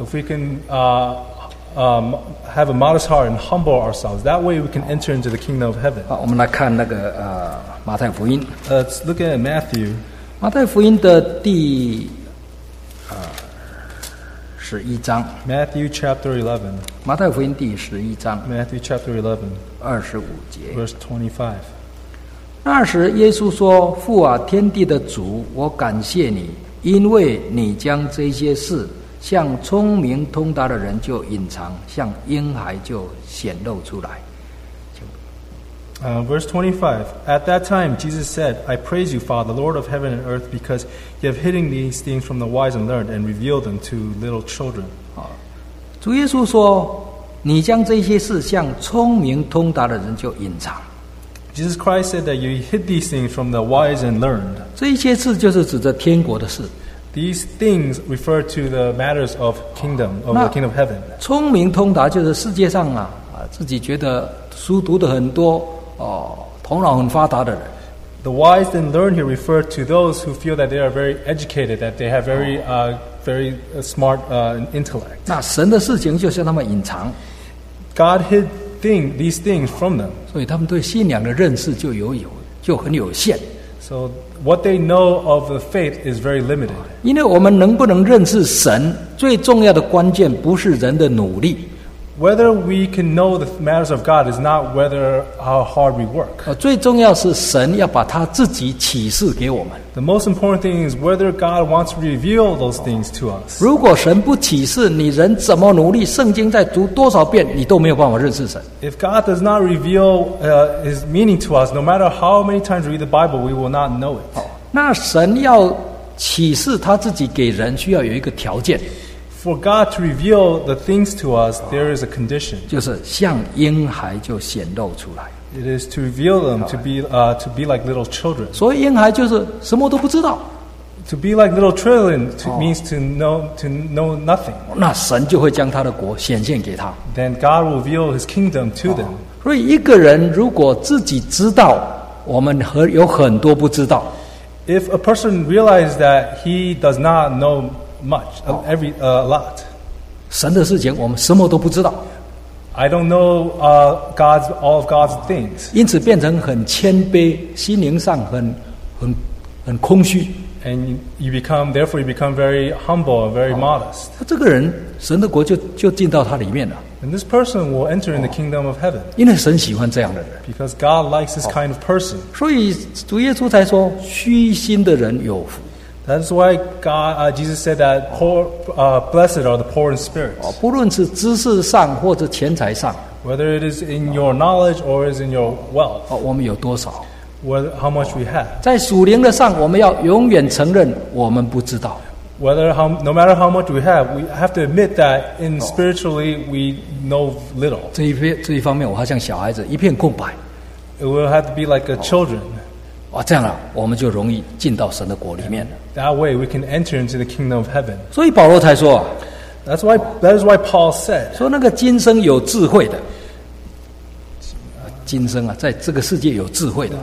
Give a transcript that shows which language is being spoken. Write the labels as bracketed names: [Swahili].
[English] If we can have a modest heart and humble ourselves, that way we can enter into the kingdom of heaven. [Chinese] 好,我们来看那个, 马太福音。 [English] Let's look at Matthew. [Chinese] 马太福音的第 11章, [English] Matthew chapter 11. [Chinese] 马太福音第11章, [English] Matthew chapter 11. [Chinese] 25节, [English] verse 25. [Chinese] 那时耶稣说,父啊,天地的主,我感谢你,因为你将这些事向聪明通达的人就隐藏,向婴孩就显露出来。 [English] Verse 25, At that time Jesus said, I praise you, Father, Lord of heaven and earth, because you have hidden these things from the wise and learned and revealed them to little children. [Chinese] 主耶稣说,你将这些事向聪明通达的人就隐藏。 [English] Jesus Christ said that you hid these things from the wise and learned. [Chinese] 这一些事就是指着天国的事。 [English] These things refer to the matters of kingdom, of the kingdom of heaven. [Chinese] 聪明通达就是世界上啊，自己觉得书读的很多，哦，头脑很发达的人。 [English] The wise and learned here refer to those who feel that they are very educated, that they have very, very smart, intellect. [Chinese] 那神的事情就向他们隐藏。 [English] God hid these things from them. [Chinese] 所以他们对信仰的认识就很有限。 [English] So what they know of the faith is very limited. [Chinese] 因为我们能不能认识神，最重要的关键不是人的努力。 [English] Whether we can know the matters of God is not whether how hard we work. [Chinese] 最重要是神要把他自己启示给我们。 [English] The most important thing is whether God wants to reveal those things to us. [Chinese] 如果神不启示，你人怎么努力，圣经再读多少遍，你都没有办法认识神。 [English] If God does not reveal his meaning to us, no matter how many times we read the Bible, we will not know it. [Chinese] 那神要启示他自己给人，需要有一个条件。 [English] For God to reveal the things to us, there is a condition. [Chinese] 就是像婴孩就显露出来。 [English] It is to reveal them to be like little children. [Chinese] 所以婴孩就是什么都不知道。 [English] To be like little children means to know nothing. [Chinese] 那神就会将他的国显现给他。 [English] Then God will reveal his kingdom to them. [Chinese] 所以一个人如果自己知道，我们有很多不知道。 [English] If a person realizes that he does not know much, a lot. [Chinese] 神的事情我们什么都不知道。 [English] I don't know all of God's things. [Chinese] 因此变成很谦卑，心灵上很空虚。 [English] And you become very humble, very modest. [Chinese] 这个人神的国就进到他里面了。 [English] And this person will enter in the kingdom of heaven. [Chinese] 因为神喜欢这样的人。 [English] Because God likes this kind of person. [Chinese] 所以主耶稣才说，虚心的人有福。 [English] That's why God, Jesus said that poor, blessed are the poor in spirit. [Chinese] 不论是知识上或者钱财上。 [English] Whether it is in your knowledge or is in your wealth. [Chinese] 我们有多少。 [English] How much we have. [Chinese] 在属灵的上我们要永远承认我们不知道。 [English] No matter how much we have to admit that in spiritually we know little. [Chinese] 这一方面我好像小孩子一片空白。 [English] It will have to be like a children. [Chinese] 这样啊，我们就容易进到神的国里面。 [English] That way we can enter into the kingdom of heaven. [Chinese] 所以保罗才说， [English] That's why Paul said, [Chinese] 说那个今生有智慧的，今生啊，在这个世界有智慧的，